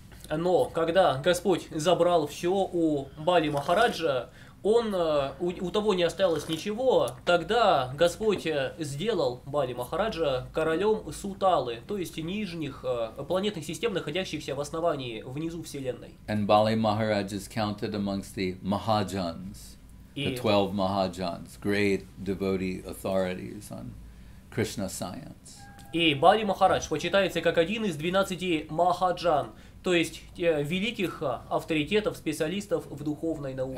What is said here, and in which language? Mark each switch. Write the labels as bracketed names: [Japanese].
[Russian] Но когда Господь забрал все у Бали Махараджа, он у того не осталось ничего, тогда Господь сделал Бали Махараджа королем Суталы, то есть нижних планетных систем, находящихся в основании внизу Вселенной. [English] And Bali Maharaj is counted amongst the Mahajans, the 12 Mahajans, great devotee authorities on Krishna science. [Russian] И Бали Махарадж почитается как один из 12 Махаджан, то есть те, великих авторитетов, специалистов в духовной науке.